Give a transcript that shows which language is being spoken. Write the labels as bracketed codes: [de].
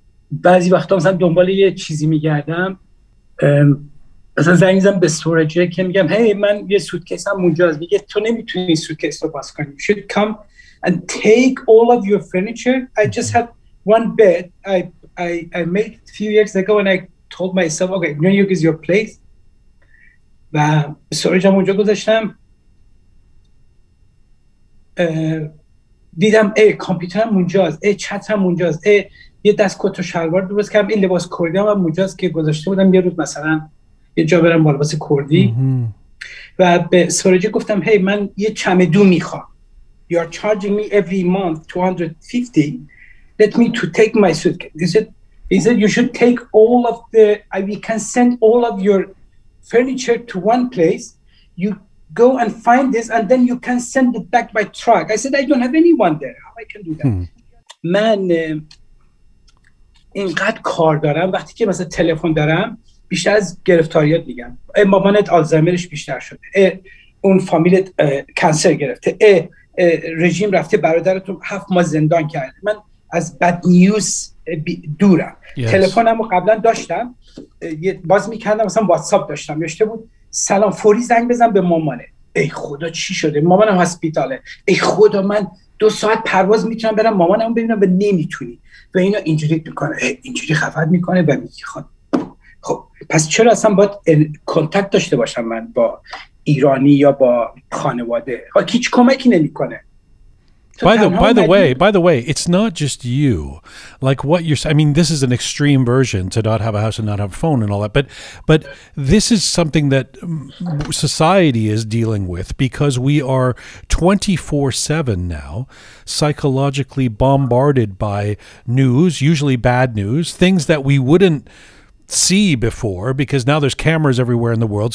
[fa] بعضی وقتا مثلا دنبال یه چیزی میگردم، مثلا زنگ زدم به استوریجه که میگم هی من یه سوتکیس هم اونجا هست، میگه تو نمیتونی این سوتکیس رو باز کنی، [en] you should come and take all of your furniture. I just have one bed. I made it a few years ago and I told myself okay, New York is your place. [fa] و استوریج هم اونجا گذاشتم، دیدم ای کامپیوترم اونجاست، ای چترم اونجاست، ای یه دست کت و شلوار درست کردم، این لباس کردی هم اونجاست که گذاشته بودم یه روز مثلا یه جا برم با لباس کردی. و به استوریج گفتم هی من یه چمدون میخوام، [en] you are charging me every month 250, let me to take my suitcase. He said you should take all of the, we can send all of your furniture to one place, you go and find this and then you can send it back by truck. I said I don't have anyone there, how I can do that. [fa] من اینقدر کار دارم، وقتی که مثلا تلفن دارم بیشتر از گرفتاریات میگم، ای مامانت آلزایمرش بیشتر شده، ای اون فامیلت کانسر گرفته، ای رژیم رفته، برادرتون 7 ماه زندان کرده. من از بد نیوز دورم. yes. تلفنمو قبلا داشتم، باز میکردم مثلا واتساپ داشتم، یشته بود سلام فوری زنگ بزن به مامانه، ای خدا چی شده، مامانم هسپیتاله، ای خدا من 2 ساعت پرواز میتونم برم مامانمو ببینم، به نمیتونی و اینا اینجوری میکنه، اینجوری خفت میکنه و میگه خب پس چرا اصلا باید کانتکت داشته باشم من با ایرانی یا با خانواده، هیچ کمکی نمیکنه. [en] By the way, it's not just you. Like what you're saying, I mean, this is an extreme version to not have a house and not have a phone and all that. But this is something that society is dealing with because we are 24/7 now, psychologically bombarded by news, usually bad news, things that we wouldn't see before, because now there's cameras everywhere in the world.